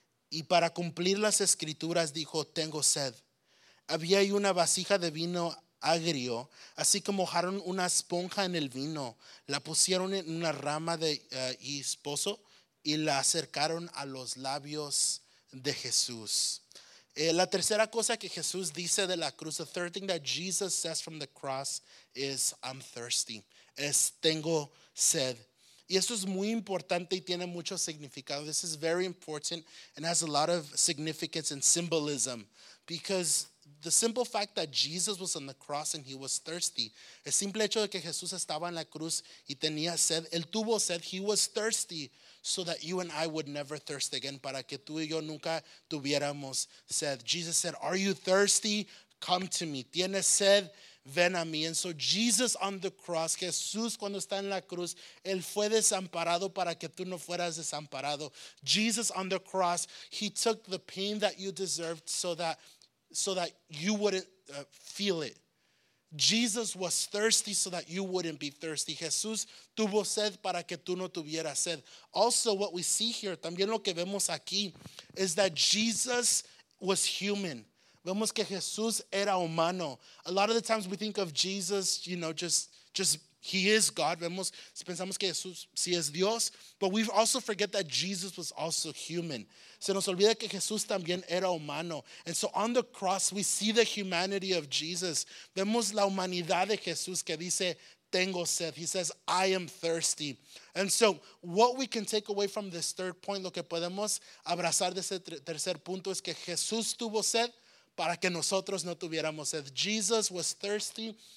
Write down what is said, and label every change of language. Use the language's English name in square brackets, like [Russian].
[Spanish] Y para cumplir las escrituras dijo, tengo sed. Había ahí una vasija de vino agrio, así que mojaron una esponja en el vino, la pusieron en una rama de hisopo y la acercaron a los labios de Jesús. La tercera cosa que Jesús dice de la cruz, [English] the third thing that Jesus says from the cross is, I'm thirsty, [Spanish] es tengo sed. Y esto es muy importante y tiene mucho significado. [English] This is very important and has a lot of significance and symbolism because the simple fact that Jesus was on the cross and he was thirsty. [Spanish] El simple hecho de que Jesús estaba en la cruz y tenía sed. Él tuvo sed. [English] He was thirsty so that you and I would never thirst again. [Spanish] Para que tú y yo nunca tuviéramos sed. [English] Jesus said, are you thirsty? Come to me. [Spanish] Tienes sed? Ven a mí. [English] And so Jesus on the cross, [Spanish] Jesús cuando está en la cruz, él fue desamparado para que tú no fueras desamparado. [English] Jesus on the cross, he took the pain that you deserved so that you wouldn't feel it. Jesus was thirsty so that you wouldn't be thirsty. [Spanish] Jesús tuvo sed para que tú no tuvieras sed. [English] Also, what we see here, [Spanish] también lo que vemos aquí, [English] is that Jesus was human. [Spanish] Vemos que Jesús era humano. [English] A lot of the times we think of Jesus, you know, just he is God. [Spanish] Vemos, pensamos que Jesús sí es Dios. [English] But we also forget that Jesus was also human. [Spanish] Se nos olvida que Jesús también era humano. [English] And so on the cross, we see the humanity of Jesus. [Spanish] Vemos la humanidad de Jesús que dice, tengo sed. [English] He says, I am thirsty. And so what we can take away from this third point, [Spanish] lo que podemos abrazar de ese tercer punto es que Jesús tuvo sed para que nosotros no tuviéramos sed. [English] Jesus was thirsty